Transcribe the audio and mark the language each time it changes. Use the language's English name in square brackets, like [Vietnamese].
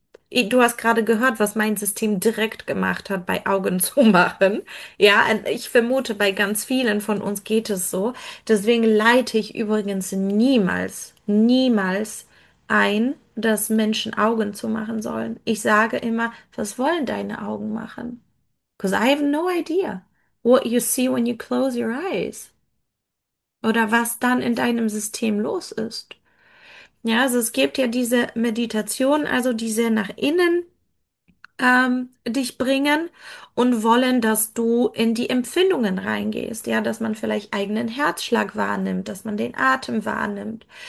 [German] Du hast gerade gehört, was mein System direkt gemacht hat bei Augen zu machen. Ja, ich vermute, bei ganz vielen von uns geht es so. Deswegen leite ich übrigens niemals, niemals ein, dass Menschen Augen zu machen sollen. Ich sage immer, was wollen deine Augen machen? [English] Because I have no idea what you see when you close your eyes. [German] Oder was dann in deinem System los ist. Ja, also es gibt ja diese Meditation, also die sehr nach innen dich bringen und wollen, dass du in die Empfindungen reingehst. Ja, dass man vielleicht eigenen Herzschlag wahrnimmt, dass man den Atem wahrnimmt.